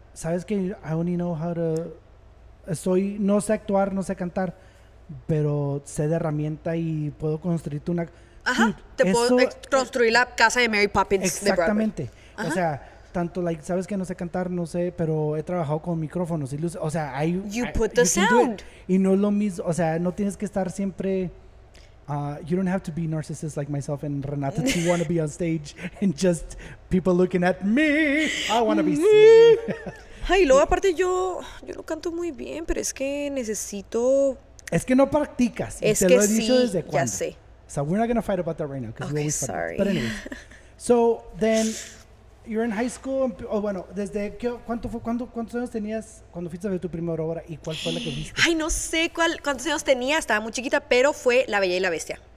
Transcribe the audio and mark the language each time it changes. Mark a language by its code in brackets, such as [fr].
[es] ¿Sabes que [en] I only know how to... [es] no sé actuar, no sé cantar, pero sé de herramienta y puedo construirte una... Ajá, construir la casa de Mary Poppins. Exactamente. O sea, tanto, like, ¿sabes que no sé cantar? No sé, pero he trabajado con micrófonos y luces. O sea, [en] You put the sound. [es] Y no es lo mismo, o sea, no tienes que estar siempre... [en] you don't have to be narcissist like myself and Renata to want to be on stage and just people looking at me. I want to be seen. [es] Ay, luego aparte yo no canto muy bien, pero es que necesito... Es que no practicas. Es te que lo he dicho sí, desde cuando. Ya sé. [en] So we're not going to fight about that right now. Okay, we always sorry. Fight. But anyway. So then you're in high school. [es] Bueno, desde qué, ¿cuántos años tenías cuando fuiste a ver tu primera obra y cuál fue la que viste? Ay, no sé cuántos años tenía. Estaba muy chiquita, pero fue La Bella y la Bestia.